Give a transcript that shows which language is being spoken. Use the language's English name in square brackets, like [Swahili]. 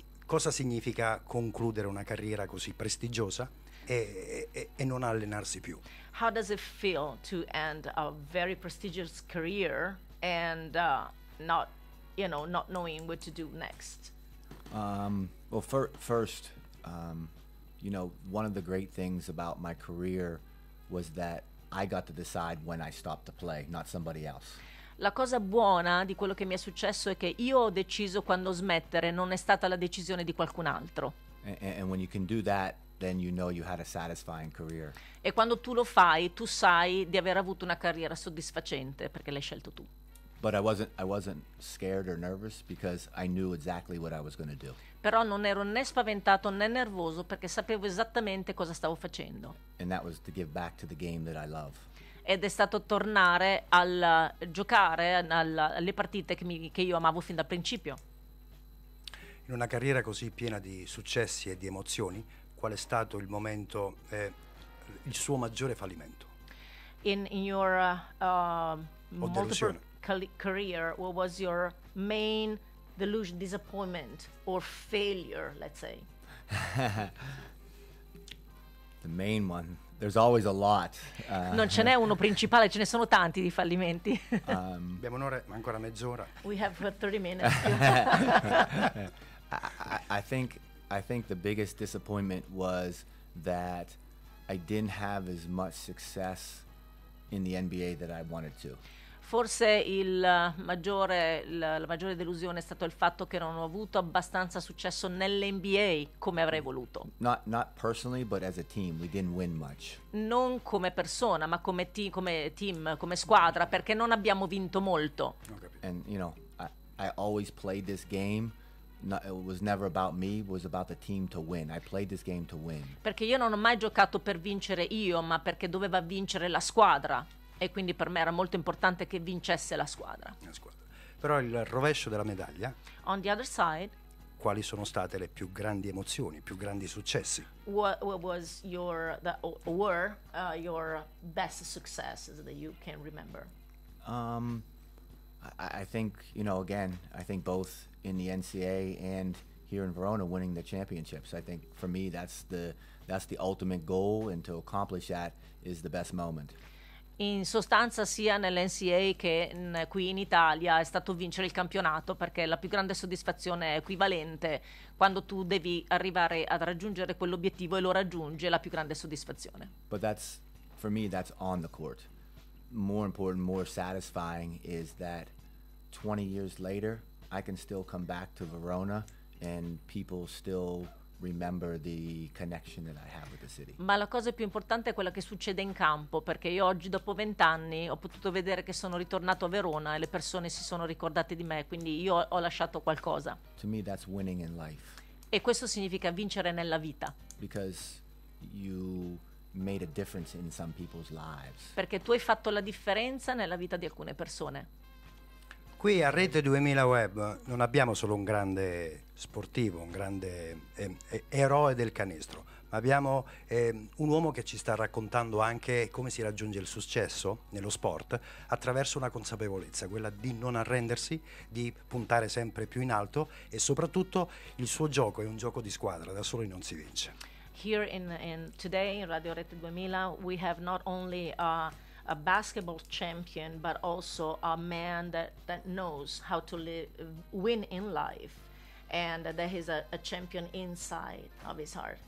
[Italian] Cosa significa concludere una carriera così prestigiosa e non allenarsi più? [English] How does it feel to end a very prestigious career and not knowing what to do next? Well, first, you know, one of the great things about my career was that I got to decide when I stopped to play, not somebody else. [Italian] La cosa buona di quello che mi è successo è che io ho deciso quando smettere, non è stata la decisione di qualcun altro. [English] And when you can do that, then you know you had a satisfying career. [Italian] E quando tu lo fai, tu sai di aver avuto una carriera soddisfacente perché l'hai scelto tu. [English] But I wasn't scared or nervous because I knew exactly what I was going to do. [Italian] Però non ero né spaventato né nervoso perché sapevo esattamente cosa stavo facendo. [English] And that was to give back to the game that I love. [Italian] Ed è stato tornare al giocare alle partite che io amavo fin dal principio. In una carriera così piena di successi e di emozioni, qual è stato il momento, il suo maggiore fallimento? [English] In your multiple career, what was your main delusion, disappointment or failure, let's say? The main one. There's always a lot. [Italian] Non ce n'è uno principale, ce ne sono tanti di fallimenti. Abbiamo un'ora, ma ancora mezz'ora. [English] We have 30 minutes. I think the biggest disappointment was that I didn't have as much success in the NBA that I wanted to. [Italian] Forse il maggiore, la maggiore delusione è stato il fatto che non ho avuto abbastanza successo nell'NBA come avrei voluto. [English] Not personally, but as a team, we didn't win much. [Italian] Non come persona, ma come team, come squadra, perché non abbiamo vinto molto. [English] And you know, I always played this game. No, it was never about me, it was about the team to win. I played this game to win. [Italian] Perché io non ho mai giocato per vincere io, ma perché doveva vincere la squadra. E quindi per me era molto importante che vincesse la squadra. La squadra. Però il rovescio della medaglia. [English] On the other side. [Italian] Quali sono state le più grandi emozioni, i più grandi successi? [English] What was your your best successes that you can remember? I think, you know, again, I think both in the NCAA and here in Verona winning the championships. I think for me that's the ultimate goal, and to accomplish that is the best moment. [Italian] In sostanza, sia nell'NCAA che qui in Italia, è stato vincere il campionato, perché la più grande soddisfazione è equivalente. Quando tu devi arrivare ad raggiungere quell'obiettivo e lo raggiungi, è la più grande soddisfazione. [English] But that's, for me, that's on the court. More important, more satisfying is that 20 years later, I can still come back to Verona and people still remember the connection that I have with the city. [Italian] Ma la cosa più importante è quella che succede in campo, perché io oggi dopo 20 anni ho potuto vedere che sono ritornato a Verona e le persone si sono ricordate di me, quindi io ho lasciato qualcosa. [English] To me that's winning in life. [Italian] E questo significa vincere nella vita. [English] Because you made a difference in some people's lives. [Italian] Perché tu hai fatto la differenza nella vita di alcune persone. Qui a Rete 2000 Web non abbiamo solo un grande sportivo, un grande eroe del canestro, ma abbiamo un uomo che ci sta raccontando anche come si raggiunge il successo nello sport attraverso una consapevolezza, quella di non arrendersi, di puntare sempre più in alto, e soprattutto il suo gioco è un gioco di squadra, da soli non si vince. [English] Here in today in Radio Rete 2000 we have not only a basketball champion, but also a man that knows how to win in life, and that he's a champion inside of his heart.